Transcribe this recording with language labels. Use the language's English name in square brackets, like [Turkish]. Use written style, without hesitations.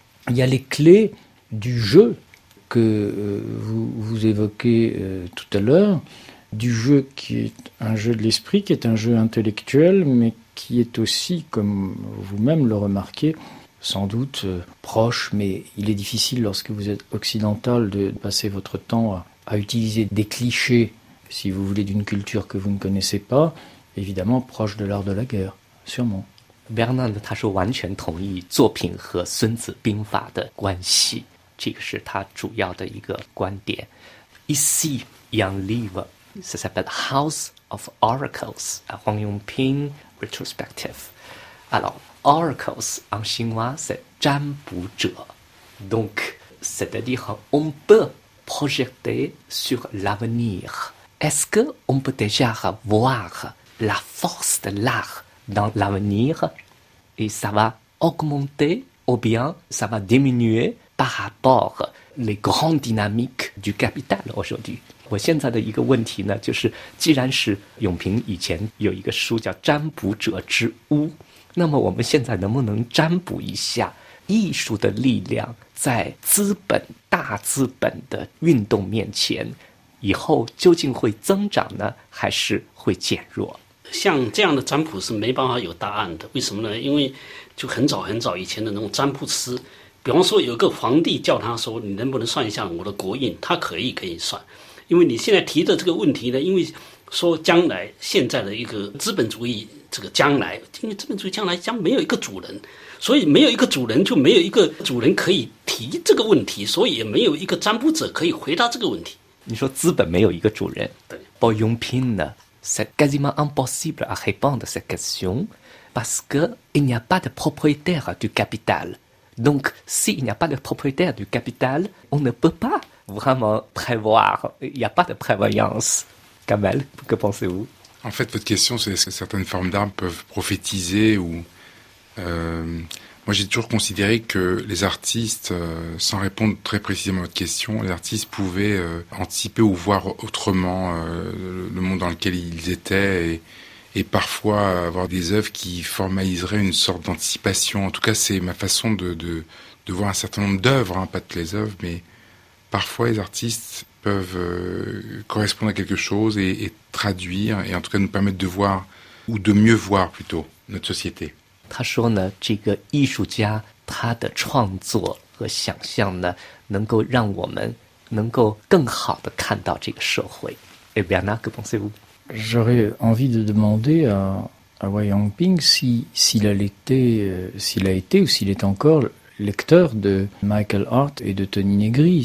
[French] il y a les clés du jeu que vous évoquez tout à l'heure, du jeu qui est un jeu de l'esprit, qui est un jeu intellectuel, mais qui est aussi, comme vous-même le remarquez, sans doute proche, mais il est difficile lorsque vous êtes occidental de passer votre temps à utiliser des clichés, si vous voulez, d'une culture que vous ne connaissez pas, évidemment proche de l'art de la guerre, sûrement. Bernard, il est complètement d'accord avec la relation de l'art et de l'art. [Chinese] 这个是他主要的一个观点。 [French] Ici, il y a un livre, ça s'appelle House of Oracles, Huang Yongping Retrospective. Alors, Oracles en chinois, c'est 占卜者. Donc, c'est-à-dire, on peut projeter sur l'avenir. Est-ce qu'on peut déjà voir la force de l'art dans l'avenir? Et ça va augmenter ou bien ça va diminuer? par rapport les grandes dynamiques du capital aujourd'hui. [Chinese] 我现在的一个问题呢，就是既然是永平以前有一个书叫《占卜者之屋》，那么我们现在能不能占卜一下艺术的力量在资本、大资本的运动面前，以后究竟会增长呢，还是会减弱？像这样的占卜是没办法有答案的。为什么呢？因为就很早很早以前的那种占卜师比方说有个皇帝叫他说你能不能算一下我的国运，他可以给你算。因为你现在提的这个问题呢，因为说将来现在的一个资本主义这个将来，因为资本主义将来将没有一个主人，所以没有一个主人就没有一个主人可以提这个问题，所以也没有一个占卜者可以回答这个问题。你说资本没有一个主人，对，不用拼的 [French] c'est quasiment impossible à répondre cette question parce que il n'y a pas de propriétaire du capital. Donc, si il n'y a pas de propriétaire du capital, on ne peut pas vraiment prévoir. Il n'y a pas de prévoyance. Kamel, que pensez-vous ? En fait, votre question, c'est est-ce que certaines formes d'art peuvent prophétiser ou moi, j'ai toujours considéré que les artistes, sans répondre très précisément à votre question, les artistes pouvaient anticiper ou voir autrement le monde dans lequel ils étaient et parfois avoir des œuvres qui formaliseraient une sorte d'anticipation. En tout cas, c'est ma façon de voir un certain nombre d'œuvres, hein, pas toutes les œuvres, mais parfois les artistes peuvent correspondre à quelque chose et traduire, et en tout cas nous permettre de voir, ou de mieux voir plutôt, notre société. [Chinese] 他说呢，这个艺术家他的创作和想象呢，能够让我们能够更好的看到这个社会。 [French] Eh bien, que pensez-vous ? J'aurais envie de demander à Wei Yongping s'il a été ou s'il est encore lecteur de Michael Art et de Tony Negri.